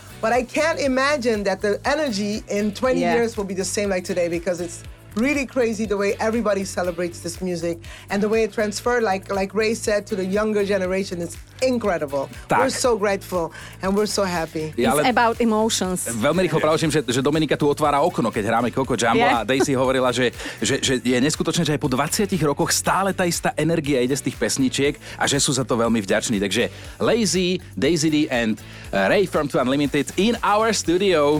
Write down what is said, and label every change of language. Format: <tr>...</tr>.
<en>But I can't imagine that the energy in 20 years will be the same like today, because it's really crazy the way everybody celebrates this music and the way it transferred, like Ray said, to the younger generation. It's incredible.</en> <sk>Tak.</sk> <en>We're so grateful and we're so happy. Yeah, it's about emotions.</en> <sk>Veľmi rýchlo pravším, že Dominika tu otvára okno, keď hráme Coco Jumbo, yeah. A Daisy hovorila, že je neskutočné, že aj po 20 rokoch stále tá istá energia ide z tých pesničiek a že sú za to veľmi vďační.</sk> <en>Takže Lazy, Daisy D and Ray from Two Unlimited in our studio.</en>